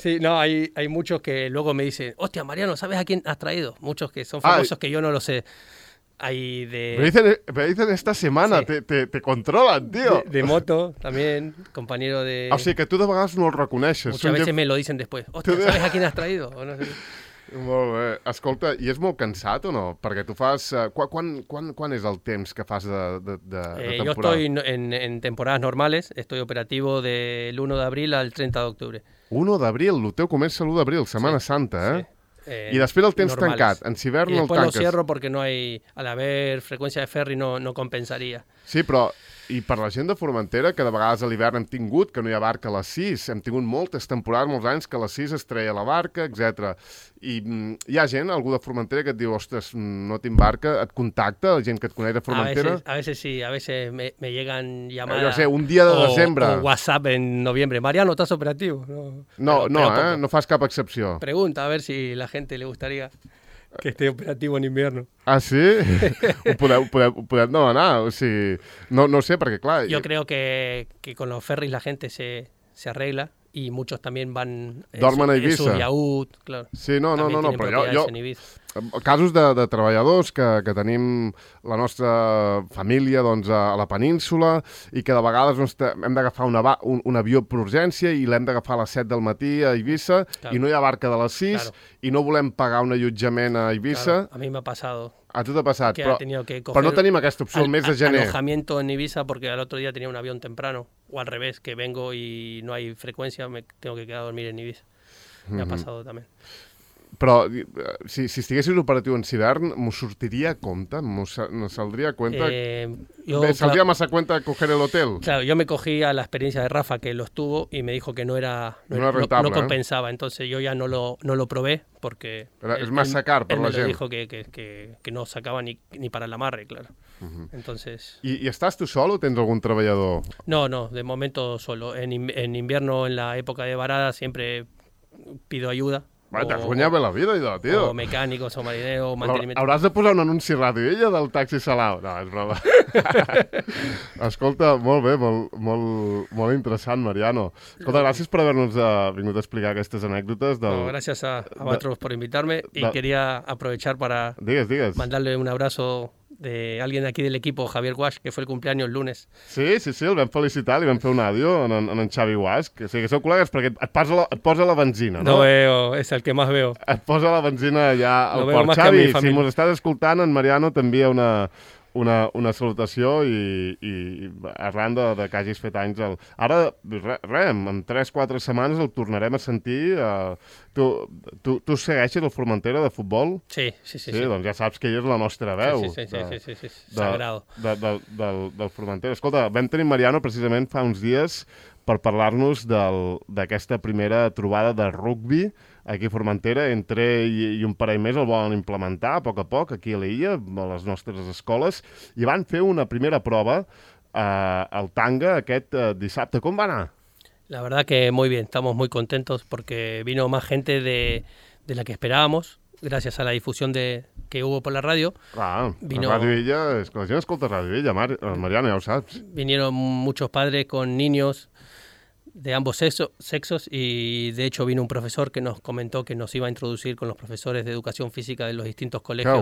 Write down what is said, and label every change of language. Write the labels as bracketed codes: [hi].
[es] Sí, no, hay muchos que luego me dicen, hostia, Mariano, ¿sabes a quién has traído? Muchos que son famosos que yo no lo sé. Hay de... Me dicen esta semana, sí. te controlan, tío. De moto, también, compañero de... O sea, que tú [ca] de vegades [es] no lo reconeces. Muchas veces me lo dicen después, hostia, ¿sabes a quién has traído? O no sé. [ca] Molt bé. Escolta, i és molt cansat o no? Perquè tu fas... Quan és el temps que fas de temporada? [es] Yo estoy en temporadas normales. Estoy operativo del 1 d'abril al 30 d'octubre. [ca] 1 d'abril? El teu comença l'1 d'abril, Setmana, sí, Santa, eh? Sí. I després el temps normales. Tancat. En hivern el tanques. [es] Y después lo cierro porque no hay... Al haber frecuencia de ferry no compensaría. [ca] Sí, però... I per la gent de Formentera, que de vegades a l'hivern hem tingut, que no hi ha barca a les 6, hem tingut moltes temporades, molts anys, que a les 6 es treia la barca, etc. I hi ha gent, algú de Formentera, que et diu, ostres, no tinc barca, et contacta, la gent que et coneix de Formentera? [es] A veces me llegan llamadas. [ca] Jo sé, un dia de desembre. O WhatsApp en novembre. Mariano, estàs operatiu? No, no fas cap excepció. [es] Pregunta, a ver si la gente le gustaría... Que esté operativo en invierno. [ca] Ah, sí? Ho podem demanar, o sigui... No sé, perquè clar... [es] Yo creo que con los ferries la gente se arregla y muchos también van... [ca] Dormen a Ibiza. [es] En su yaúd, claro. [ca] Sí, no, però jo... Casos de treballadors que tenim la nostra família, doncs, a la península i que de vegades hem d'agafar un avió per urgència i l'hem d'agafar a les 7 del matí a Ibiza, claro. I no hi ha barca de les 6, claro. I no volem pagar un allotjament a Ibiza. Claro. A mi m'ha passat. A tu t'ha passat, però no tenim aquesta opció al mes de gener. [es] Alojamiento en Ibiza porque el otro día tenía un avión temprano, o al revés, que vengo y no hay frecuencia, me tengo que quedar a dormir en Ibiza. [ca] M'ha passat també. Però si estiguessis operatiu en hivern, m'ho sortiria a compte? M'ho saldria a compte? Saldria massa a compte de coger l'hotel? [es] Claro, yo me cogí a la experiencia de Rafa, que lo estuvo, y me dijo que no era rentable, no compensaba. Entonces yo ya no lo probé, porque... Pero es más sacar [ca] per la gent. [es] Él me dijo que no sacaba ni para el amarre, claro. Uh-huh. Entonces... ¿Y estás tú solo o [ca] tens algún treballador? [es] No, de momento solo. En invierno, en la época de varada, siempre pido ayuda. [ca] T'has guanyat bé la vida, idò, tio. O mecànics, o marinero, o manteniment... Hauràs de posar un anunci ràdio, ella, del taxi Salao. No, és broma. Escolta, molt bé, molt interessant, Mariano. Escolta, gràcies per haver-nos vingut a explicar aquestes anècdotes. Gràcies a vosaltres per invitar-me i [es] quería aprovechar para... [ca] Digues. [es] Mandarle un abrazo de alguien de aquí del equipo, Javier Guasch, que fue el cumpleaños el lunes. [ca] Sí, sí, sí, el vam felicitar, li vam fer un àdio en en Xavi Guasch. O sigui, que sou col·legues perquè et posa la benzina, no? [es] No veo, es el que más veo. [ca] Et posa la benzina ja al port. Xavi, si mos estàs escoltant, en Mariano t'envia una salutació i arran de que hagis fet anys... Ara, en 3-4 setmanes el tornarem a sentir. Tu segueixes el Formentera de futbol? Sí. Doncs ja saps que ell és la nostra veu. [es] Sí, sagrado del Formentera. [ca] Escolta, vam tenir Mariano precisament fa uns dies per parlar-nos d'aquesta primera trobada de rugbi aquí a Formentera, entre ell i un parell més el volen implementar a poc aquí a l'illa, a les nostres escoles, i van fer una primera prova al Tanga aquest dissabte. Com va anar? [es] La verdad que muy bien, estamos muy contentos porque vino más gente de, de la que esperábamos, gracias a la difusión de que hubo por la radio. [ca] Ah, vino, Radio Illa, la gent escolta Radio Illa, Mariana, ja ho saps. [es] Vinieron muchos padres con niños de ambos sexos y de hecho vino un profesor que nos comentó que nos iba a introducir con los profesores de educación física de los distintos colegios.